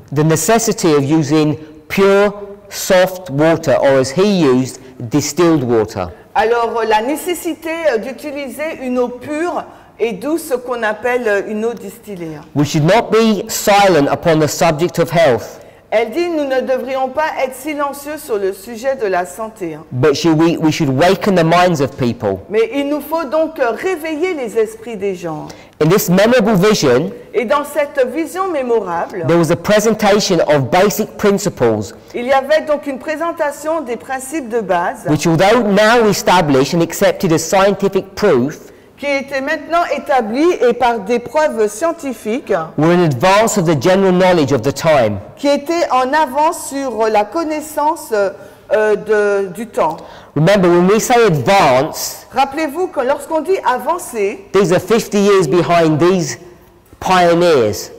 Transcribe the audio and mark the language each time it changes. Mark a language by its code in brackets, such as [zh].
[en] The necessity of using pure soft water, or as he used, distilled water. [fr] Alors la nécessité d'utiliser une eau pure et douce qu'on appelle une eau distillée. [en] We should not be silent upon the subject of health. [fr] Elle dit, nous ne devrions pas être silencieux sur le sujet de la santé. [en] But we should waken the minds of people. [fr] Mais il nous faut donc réveiller les esprits des gens. [en] In this memorable vision, [fr] et dans cette vision mémorable, [en] there was a presentation of basic principles. [fr] Il y avait donc une présentation des principes de base, [en] which although now established and accepted as scientific proof, [fr] qui était maintenant établi et par des preuves scientifiques, [en] were in advance of the general knowledge of the time, [fr] qui était en avance sur la connaissance du temps. [en] Remember, when we say advance, [fr] rappelez-vous que lorsqu'on dit avancer, [en] these are 50 years behind these pioneers.